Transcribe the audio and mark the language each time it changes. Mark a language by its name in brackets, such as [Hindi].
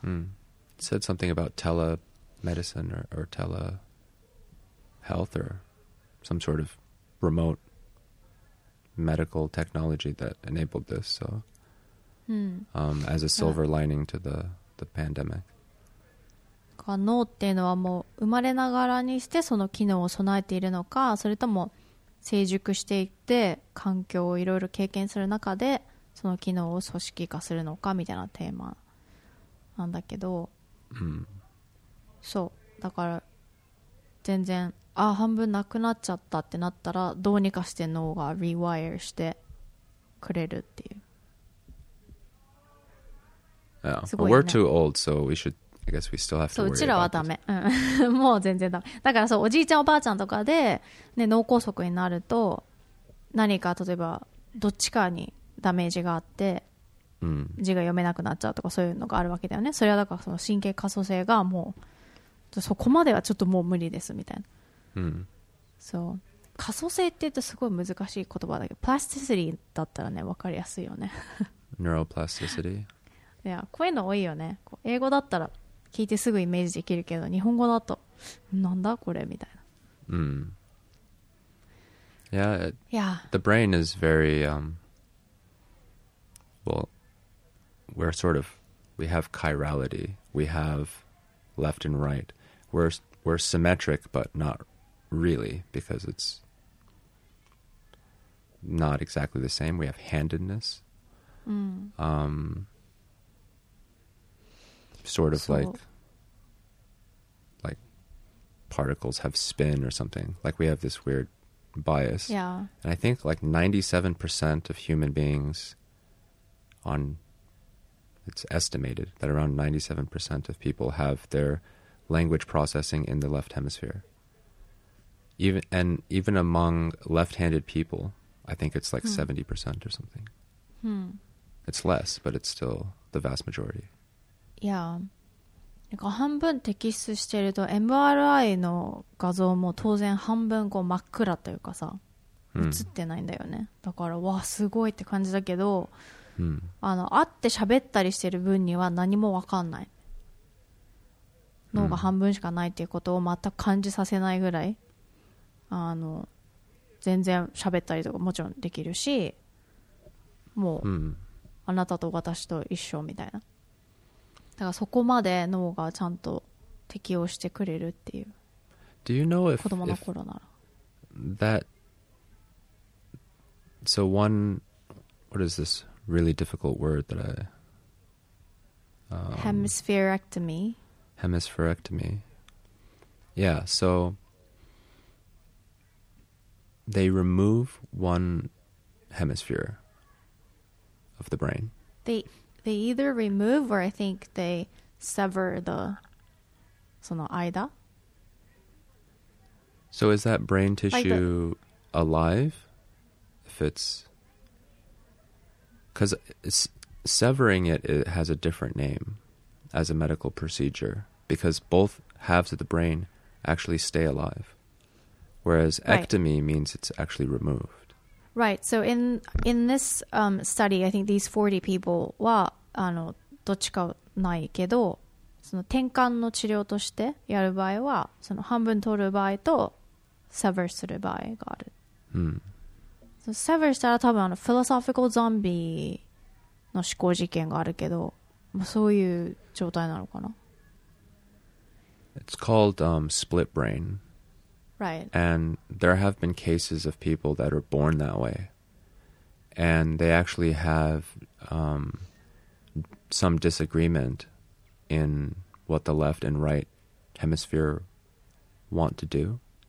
[English] うん、said something about telemedicine or telehealth or some sort of remote medical technology that enabled this, soas a silver lining to the pandemic. [Japanese] 脳っていうのはもう生まれながらにしてその機能を備えているのか、それとも成熟していって環境をいろいろ経験する中でその機能を組織化するのかみたいなテーマなんだけど、うん、そうだから全然、あ、半分なくなっちゃったってなったらどうにかして脳がリワイアしてくれるっていう。 [English] Yeah. [Japanese] すごいね。 [English] We're too old, so we should, I guess we still have to worry about this. [Japanese] うちらはダメ。もう全然ダメ。だからそう、おじいちゃんおばあちゃんとかで、ね、脳梗塞になると、何か例えばどっちかにダメージがあって、字が読めなくなっちゃうとかそういうのがあるわけだよね。それはだからその神経可塑性がもう、そこまではちょっともう無理ですみたいな。うん。そう。可塑性って言うとすごい難しい言葉だけど、プラスティシティだったらね、分かりやすいよね。 [English] Neuroplasticity。 [Japanese] いや、こういうの多いよね。こう英語だったら聞いてすぐイメージできるけど、日本語だとなんだこれみたいな。 [English] うん。Yeah, it, yeah. The brain is very, well, we're sort of, we have chirality. We have left and right. We're symmetric, but not really, because it's not exactly the same. We have handedness. Mm. Sort of so. like particles have spin or something. Like we have this weird bias. Yeah. And I think like 97% of human beings on, it's estimated that around 97% of people have their language processing in the left hemisphere. Even among left-handed people, I think it's like 70% or something. It's less, but it's still the vast majority. Yeah. [Japanese] なんか半分テキストしてると MRI の画像も当然半分こう真っ暗というかさ、映ってないんだよね。だからわすごいって感じだけど、あの会って喋ったりしてる分には何も分かんない脳が半分しかないっていうことを全く感じさせないぐらい、あの全然喋ったりとかもちろんできるし、もうあなたと私と一緒みたいな。だからそこまで脳がちゃんと適応してくれるっていう。 [English] Do you know if, [Japanese] 子供の頃なら。 [English] That, so one, what is this really difficult word that I, Hemispherectomy. Hemispherectomy. Yeah, so they remove one hemisphere of the brain. They either remove or I think they sever the [Japanese] その間. [English] So is that brain tissue like alive? If it's, because severing it, it has a different name as a medical procedure, because both halves of the brain actually stay alive, whereas ectomy means it's actually removed. Right. So in this study, I think these 40 people were. [Japanese] あのどっちかないけど、その転換の治療としてやる場合はその半分取る場合とセバーする場合がある。うん。セバーしたら多分あのフィロソフィカルゾンビの思考実験があるけど、まあ、そういう状態なのかな。 [English] It's called split brain. Right. And there have been cases of people that are born that way, and they actually have some disagreement in what the left and right hemisphere want to do.